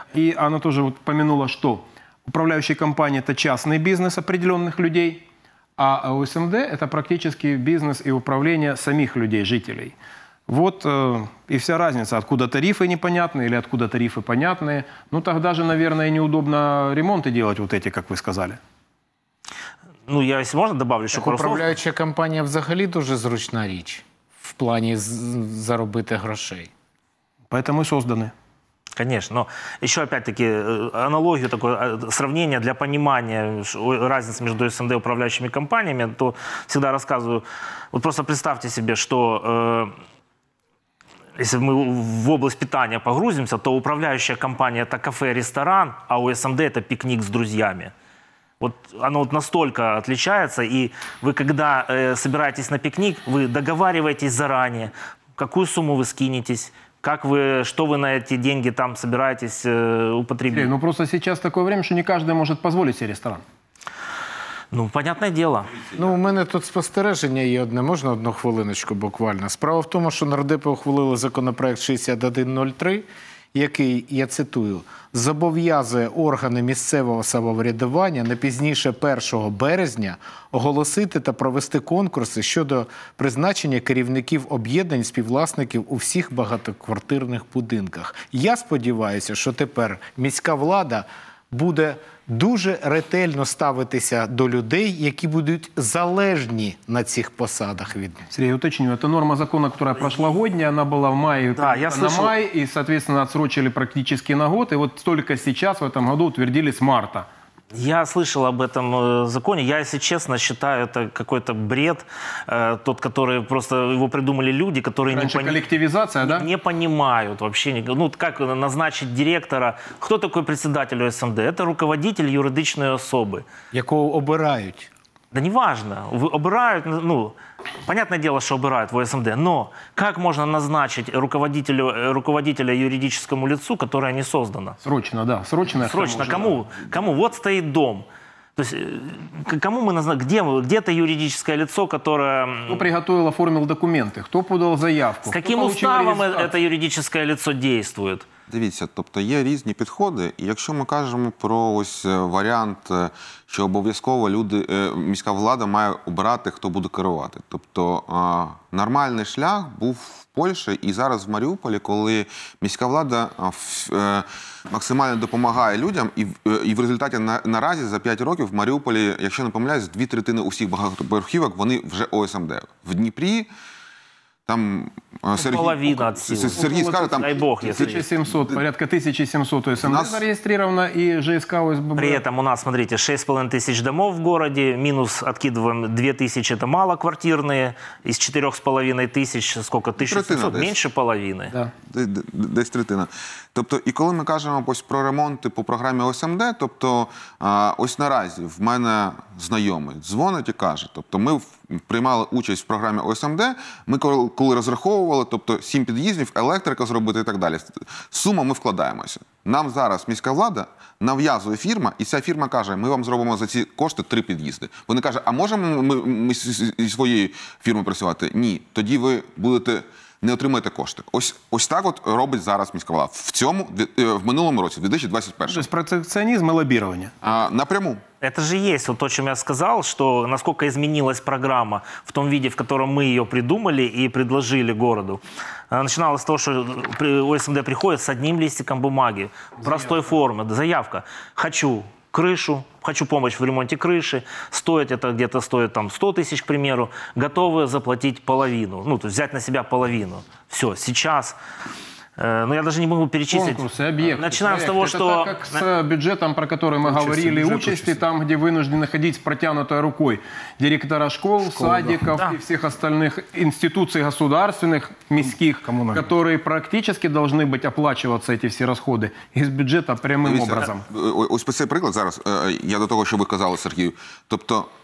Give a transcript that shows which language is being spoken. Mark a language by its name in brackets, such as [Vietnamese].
[Russian] И она тоже вот помянула, что управляющие компании – это частный бизнес определенных людей, а ОСМД – это практически бизнес и управление самих людей, жителей. Вот и вся разница, откуда тарифы непонятные или откуда тарифы понятные. Ну, тогда же, наверное, неудобно ремонты делать вот эти, как вы сказали. Ну, я, если можно, добавлю еще пару слов. Управляющая компания [Ukrainian] взагалі дуже зручна річ в плане заробити грошей. [Russian] Поэтому и созданы. Конечно. Но еще опять-таки аналогию, такое сравнение для понимания разницы между СНД и управляющими компаниями, то всегда рассказываю. Вот просто представьте себе, что... Если мы в область питания погрузимся, то управляющая компания – это кафе-ресторан, а ОСМД – это пикник с друзьями. Вот оно вот настолько отличается, и вы когда собираетесь на пикник, вы договариваетесь заранее, какую сумму вы скинетесь, как вы, что вы на эти деньги там собираетесь употребить. Ну просто сейчас такое время, что не каждый может позволить себе ресторан. Ну, понятное дело. [Ukrainian] Ну, у мене тут спостереження є одне. Можна одну хвилиночку буквально? Справа в тому, що нардепи ухвалили законопроект 6103, який, я цитую, зобов'язує органи місцевого самоврядування не пізніше 1 березня оголосити та провести конкурси щодо призначення керівників об'єднань співвласників у всіх багатоквартирних будинках. Я сподіваюся, що тепер міська влада буде... дуже ретельно ставитися до людей, які будуть залежні на цих посадах від них. Сергій, уточню, це норма закону, яка прошлогодня, вона була в маї, да, я на май, і, відповідно, відсрочили практично на год, і от тільки зараз, в цьому році, утвердили з марта. [Russian] Я слышал об этом законе. Я, если честно, считаю, это какой-то бред. Тот, который просто его придумали люди, которые не понимают вообще. Ну, как назначить директора? Кто такой председатель ОСМД? Это руководитель [Ukrainian] юридичной особы. Якого обирают? [Russian] Да неважно. Обирают, ну, понятное дело, что обирают в ОСМД. Но как можно назначить руководителя юридическому лицу, которое не создано? Срочно, да. Срочно. Срочно. Кому? Да. Кому? Вот стоит дом. То есть, кому мы назначим? Где это юридическое лицо, которое... Кто приготовил, оформил документы? Кто подал заявку? С каким уставом это юридическое лицо действует? [Ukrainian] Дивіться, тобто є різні підходи, і якщо ми кажемо про ось варіант, що обов'язково люди, міська влада має обирати, хто буде керувати. Тобто нормальний шлях був в Польщі і зараз в Маріуполі, коли міська влада максимально допомагає людям, і в результаті наразі за 5 років в Маріуполі, якщо не помиляюсь, 2/3 усіх багатоповерхівок, вони вже ОСМД. В Дніпрі... Там Сергій скаже, там дай Бог, 1700, порядка 1700 ОСМД нас... зареєстровано і ЖСК ОСББ. [Russian] При этом у нас, смотрите, 6500 домов в городе, минус откидываем 2000, это малоквартирные, из 4500, сколько, 1700, меньше половины. Да. [Ukrainian] Десь третина. Тобто, і коли ми кажемо ось про ремонти по програмі ОСМД, тобто, ось наразі в мене знайомий дзвонить і каже, тобто, ми приймали участь в програмі ОСМД, ми коли розраховували, тобто, 7 під'їздів, електрика зробити і так далі, сума ми вкладаємося. Нам зараз міська влада нав'язує фірма, і ця фірма каже, ми вам зробимо за ці кошти 3 під'їзди. Вони кажуть, а можемо ми зі своєю фірмою працювати? Ні. Тоді ви будете... не отримуєте кошти. Ось так от робить зараз міська влада. В минулому році, в 2021. Тобто протекціонізм і лобірування. Напряму. [Russian] Это же есть, вот то, чем я сказал, что насколько изменилась программа в том виде, в котором мы ее придумали и предложили городу. Начиналось с того, что ОСМД приходит с одним листиком бумаги, простой формы, заявка. Хочу крышу, хочу помощь в ремонте крыши, стоит это где-то стоит там 100 тысяч, к примеру, готовы заплатить половину, ну, то есть взять на себя половину. Все, сейчас... Ну, я даже не могу перечислить. Конкурсы, объекты. Начинаем проект. С того, это что... Так, как с бюджетом, про который мы говорили, участи там, где вынуждены ходить с протянутой рукой директора школ садиков, да. И всех остальных институций государственных, мисских, которые практически должны быть оплачиваться, эти все расходы, из бюджета прямым образом. [Ukrainian] Ось цей приклад зараз, я до того, що ви казали, Сергію, тобто...